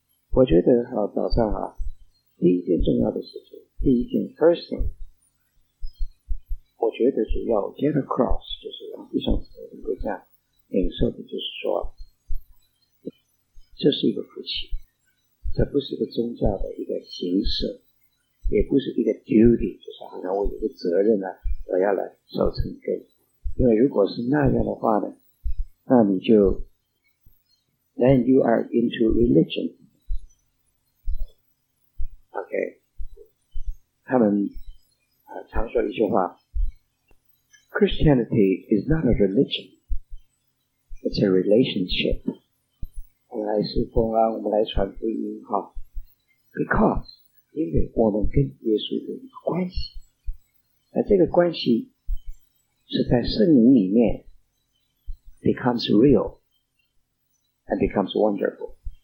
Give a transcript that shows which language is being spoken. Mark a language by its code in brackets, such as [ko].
[zh] 我觉得好，早上啊，第一件重要的事情，第一件 [en] first thing， [zh] 我觉得主要 [en] get across， [zh] 就是让弟兄姊妹能够这样领受的，就是说这是一个福气，这不是一个宗教的一个形式，也不是一个 [en] duty， [zh] 就是好像我有个责任呢、啊，我要来守成根。因为如果是那样的话呢，那你就 [en] then you are into religion。 OK， 他们常说一句话 ：Christianity is not a religion, it's a relationship。 [zh] 我们来侍奉啊，我们来传福音哈 ， [en] because。 [zh] 因为我们跟耶稣有一个关系，而这个关系是在圣灵里面 [en] becomes real and becomes wonderful。